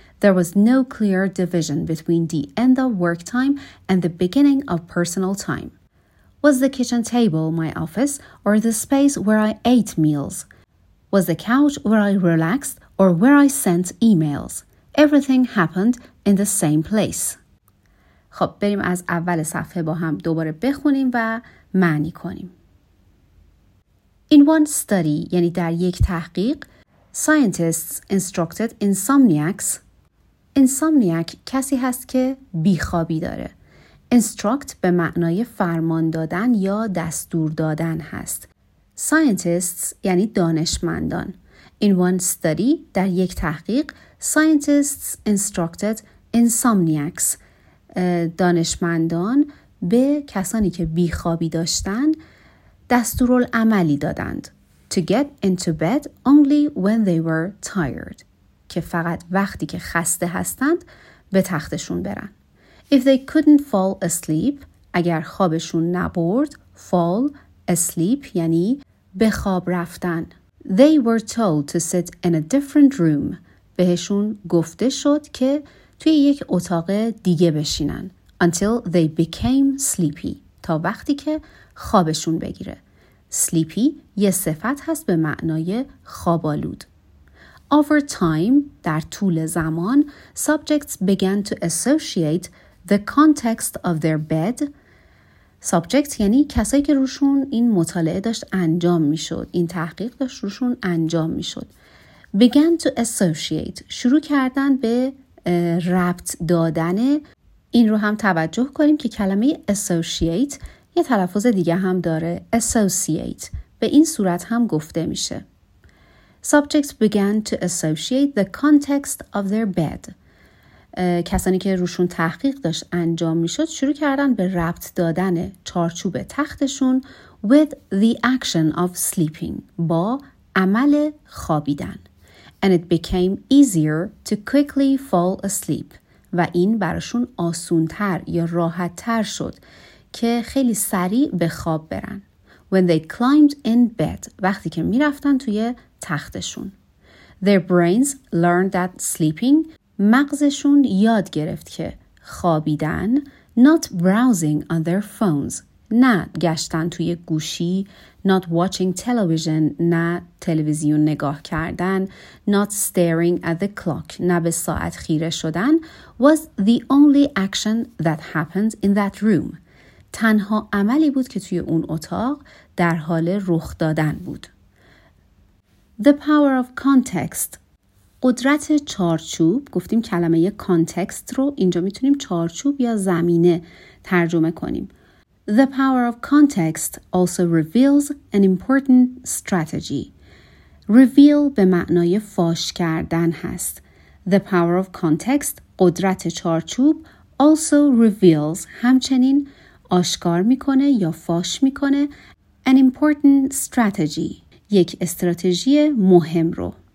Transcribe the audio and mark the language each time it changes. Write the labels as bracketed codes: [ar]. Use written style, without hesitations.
[en] There was no clear division between the end of work time and the beginning of personal time. Was the kitchen table my office or the space where I ate meals? Was the couch where I relaxed or where I sent emails? Everything happened in the same place. [fa] خب بریم از اول صفحه با هم دوباره بخونیم و معنی کنیم. [en] In one study, [fa] یعنی در یک تحقیق, [en] scientists instructed insomniacs. [fa] Insomniac کسی هست که بیخوابی داره. Instruct به معنای فرمان دادن یا دستور دادن هست. Scientists یعنی دانشمندان. [en] In one study, [fa] در یک تحقیق, [en] scientists instructed insomniacs. [fa] دانشمندان به کسانی که بیخوابی داشتند دستورالعملی دادند [en] to get into bed only when they were tired [fa] که فقط وقتی که خسته هستند به تختشون برن. [en] If they couldn't fall asleep [fa] اگر خوابشون نبرد [en] fall asleep [fa] یعنی به خواب رفتن. [en] They were told to sit in a different room [fa] بهشون گفته شد که توی یک اتاق دیگه بشینن [en] until they became sleepy [fa] تا وقتی که خوابشون بگیره. Sleepy یه صفت هست به معنای خوابالود. [en] Over time [fa] در طول زمان [en] subjects began to associate the context of their bed. [fa] Subject یعنی کسایی که روشون این مطالعه داشت انجام می شد. این تحقیق داشت روشون انجام می شد. [en] Began to associate [fa] شروع کردن به ربط دادن. این رو هم توجه کنیم که کلمه associate یه تلفظ دیگه هم داره. Associate به این صورت هم گفته میشه. [en] Subjects began to associate the context of their bed. [fa] کسانی که روشون تحقیق داشت انجام میشد شروع کردن به ربط دادن چارچوب تختشون [en] with the action of sleeping [fa] با عمل خوابیدن. [en] And it became easier to quickly fall asleep. [fa] و این براشون آسونتر یا راحت تر شد که خیلی سریع به خواب برن. [en] When they climbed in bed, [fa] وقتی که می رفتن توی تختشون. [en] Their brains learned that sleeping, [fa] مغزشون یاد گرفت که خوابیدن, [en] not browsing on their phones, [fa] نه گشتن توی گوشی, [en] not watching television, [fa] نه تلویزیون نگاه کردن, [en] not staring at the clock, [fa] نه به ساعت خیره شدن, [en] was the only action that happened in that room. [fa] تنها عملی بود که توی اون اتاق در حال رخ دادن بود. [en] The power of context. [fa] قدرت چارچوب. گفتیم کلمه context رو اینجا میتونیم چارچوب یا زمینه ترجمه کنیم. [en] The power of context also reveals an important strategy. [fa] Reveal به معنای فاش کردن هست. [en] The power of context, [fa] قدرت چارچوب, [en] also reveals, [fa] همچنین آشکار میکنه یا فاش میکنه, [en] an important strategy, [fa] یک استراتژی مهم رو.